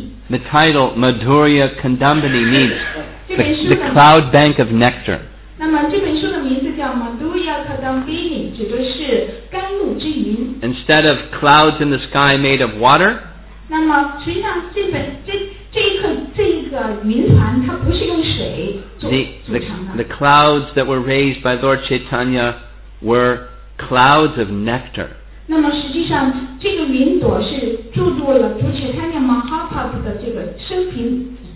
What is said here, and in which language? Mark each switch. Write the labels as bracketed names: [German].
[English] The title Madhurya Kandambini means the cloud bank of nectar. [Chinese] 那么这本书的名字叫 Maduyakadambini, 指的是甘露之云。 [English] Instead of clouds in the sky made of water, [Chinese] 那么实际上这本这这一刻这一个云团它不是用水做 [English] The clouds that were raised by Lord Chaitanya were clouds of nectar. [Chinese] 那么实际上这个云朵是注入了 Lord Chaitanya Mahaprabhu 的这个生平